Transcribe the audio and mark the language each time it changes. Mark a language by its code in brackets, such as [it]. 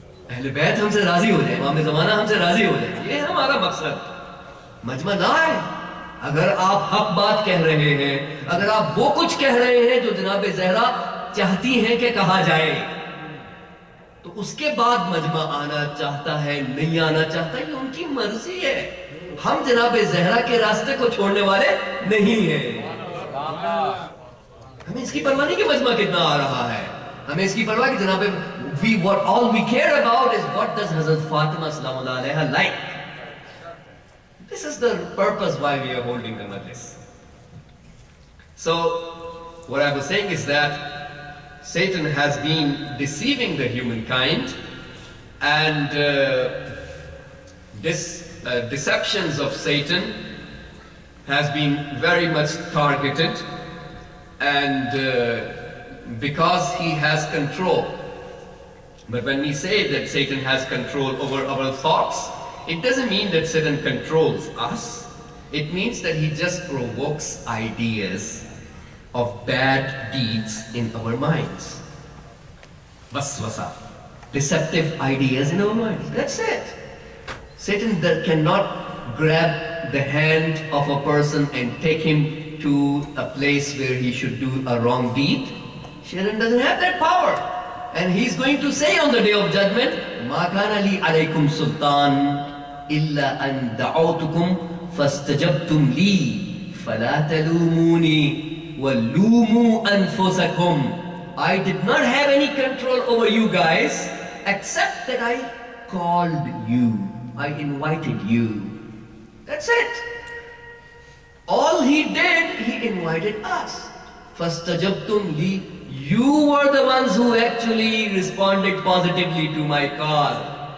[ur] اہل بیت ہم سے راضی ہو جائے امام زمانہ ہم سے راضی ہو جائے یہ ہمارا مقصد مجمع نہ آئے اگر آپ حق بات کہہ رہے ہیں اگر آپ وہ کچھ کہہ رہے ہیں جو جناب زہرا چاہتی ہیں کہ کہا جائے تو اس کے بعد مجمع آنا چاہتا ہے نہیں آنا چاہتا یہ ان کی مرضی ہے ہم جناب زہرا کے راستے کو چھوڑنے والے نہیں ہیں ہمیں اس کی پرواہ نہیں کہ مجمع کتنا آ رہا ہے ہمیں اس کی پرواہ کہ جناب [en] all we care about is what does Hazrat Fatima salamullah alaiha like. This is the purpose why we are holding the majlis. So what I was saying is that Satan has been deceiving the humankind, and this deceptions of Satan has been very much targeted, and because he has control. But when we say that Satan has control over our thoughts, it doesn't mean that Satan controls us. It means that he just provokes ideas of bad deeds in our minds. Waswasa. Deceptive ideas in our minds. That's it. Satan cannot grab the hand of a person and take him to a place where he should do a wrong deed? Sharon doesn't have that power. [ar] And he's going to say on the Day of Judgment, مَا كَانَ لِي عَلَيْكُمْ سُلْطَانٌ إِلَّا أَنْ دَعَوْتُكُمْ فَاسْتَجَبْتُمْ لِي فَلَا تَلُومُونِي وَلُومُوا أَنفُسَكُمْ. [en] I did not have any control over you guys, except that I called you. I invited you. That's it. All he did, he invited us. [ar] فَاسْتَجَبْتُمْ لِي. [en] You were the ones who actually responded positively to my call.